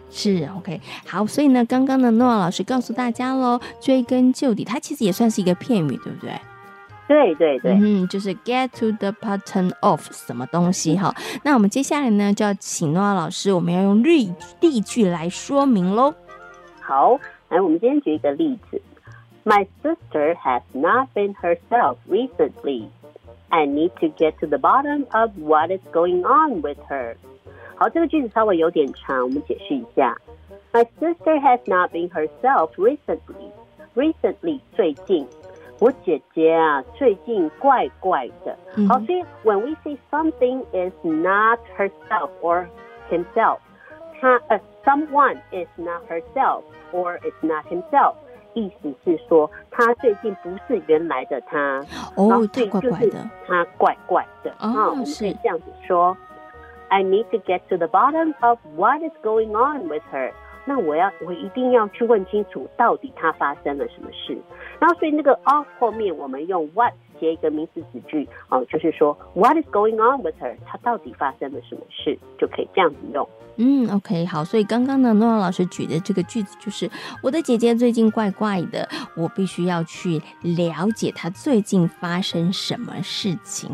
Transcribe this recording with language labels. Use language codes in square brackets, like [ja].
[zh] 是 OK 好，所以呢刚刚的诺亚老师告诉大家咯，追根究底它其实也算是一个片语，对不对？对对对，就是 [en] get to the bottom of [zh] 什么东西哈。那我们接下来呢就要请诺亚老师，我们要用例句来说明咯。好，来，我们今天举一个例子。 [en] My sister has not been herself recently. I need to get to the bottom of what is going on with her. [zh] 好，这个句子稍微有点长，我们解释一下。 [en] My sister has not been herself recently. Recently [zh] 最近，我姐姐啊，最近怪怪的。 [en] 好，所以 when we say something is not herself or himself, someone is not herself or is not himself, [zh] 意思是说她最近不是原来的她。她怪怪的。她怪怪的。我们可以这样子说。 [en] I need to get to the bottom of what is going on with her. [zh] 那我一定要去问清楚到底她发生了什么事。然后所以那个 of 后面我们用 what 接一个名词子句、就是说 [en] what is going on with her, [zh] 她到底发生了什么事，就可以这样子用。 OK, 好，所以刚刚呢诺亚老师举的这个句子就是我的姐姐最近怪怪的，我必须要去了解她最近发生什么事情。